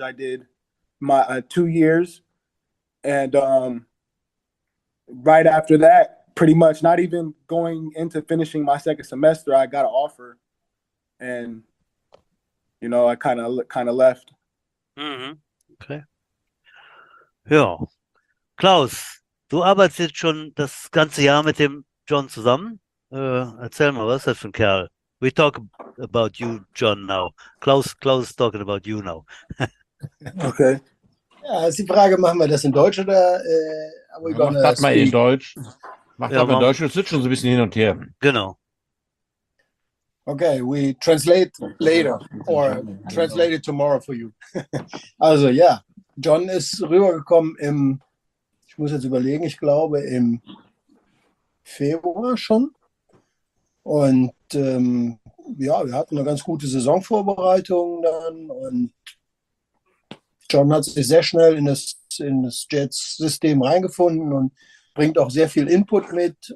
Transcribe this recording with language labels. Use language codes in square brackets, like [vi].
[en] I did my 2 years, and right after that, pretty much not even going into finishing my second semester, I got an offer, and you know, I kind of left. Mm-hmm. Okay. Ja. [de] Klaus, du arbeitest jetzt schon das ganze Jahr mit dem John zusammen. Erzähl mal, was ist das für ein Kerl? [en] We talk about you, John, now. Klaus talking about you now. Okay. [de] Ja, ist die Frage, machen wir das in Deutsch oder [en] are we gonna speak? [de] Mach das mal in Deutsch. Macht in Deutsch, es sitzt schon so ein bisschen hin und her. Genau. [en] Okay, we translate later or translate it tomorrow for you. [de] Also, ja, John ist rübergekommen im, ich muss jetzt überlegen, ich glaube im Februar schon. Und ja, wir hatten eine ganz gute Saisonvorbereitung dann. Und John hat sich sehr schnell in das Jets-System reingefunden und bringt auch sehr viel Input mit.